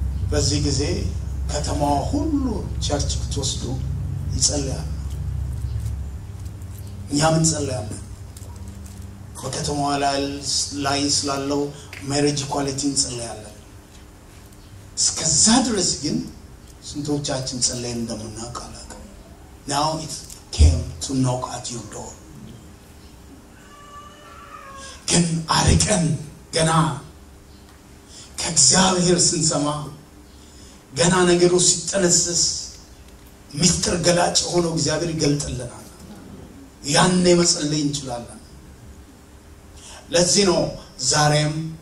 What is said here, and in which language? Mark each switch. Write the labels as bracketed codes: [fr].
[am] በዚህ ጊዜ ከተማው ሁሉ ቸርች ተወስዶ ይጸልያል። እኛም እንጸልያለን። ከተማው ላይ ስላለው ማሬጅ ኳሊቲ እንጸልያለን። እስከዛ ድረስ ግን ስንቶቻችን ጸልየን እንደምናቀላቀ? [en] Now it came to knock at your door. [am] ግን አርቀን ገና ከእግዚአብሔር ስንሰማ ገና ነገሩ ሲጠነስስ ሚስጥር ገላጭ ሆኖ እግዚአብሔር ይገልጥልናል። ያኔ መጸለይ እንችላለን። ለዚህ ነው ዛሬም